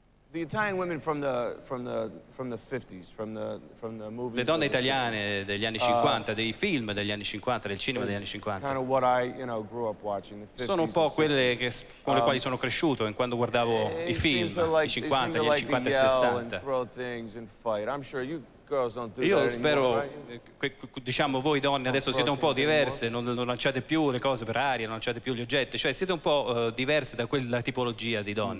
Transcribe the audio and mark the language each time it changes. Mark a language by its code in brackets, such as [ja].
[en] The Italian women from the 50s, from the movies. [it] Le donne italiane degli anni 50, dei film degli anni 50, del cinema degli anni 50. [en] Kind of what I, you know, grew up watching, the 50s. [it] Sono un po' quelle con le quali sono cresciuto in quando guardavo i film, i 50, gli anni 50 e 60. [en] And throw things and fight. I'm sure you girls don't do [it] Io spero, diciamo, voi donne adesso siete un po' diverse, non lanciate più le cose per aria, non lanciate più gli oggetti, cioè siete un po' diverse da quella tipologia di donne.